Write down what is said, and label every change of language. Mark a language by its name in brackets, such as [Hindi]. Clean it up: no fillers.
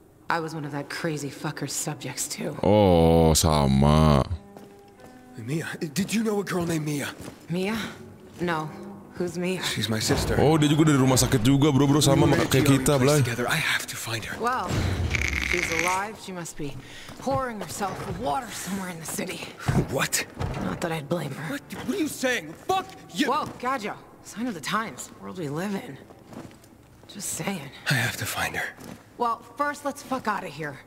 [English] I was one of that crazy fucker's subjects, too. [Indonesian] Oh, sama. [English] Mia, did you know a girl named Mia? Mia? No. Who's Mia? She's my sister. [Indonesian] Oh, dia juga dari rumah sakit juga, bro-bro sama kayak kita, Blay. [English] I have to find her. Well, she's alive. She must be pouring herself with water somewhere in the city. What? Not that I'd blame her. What are you saying? Fuck you! Whoa, Gajo. Sign of the times. The world we live in. Just saying. I have to find her. Well, first let's fuck out of here.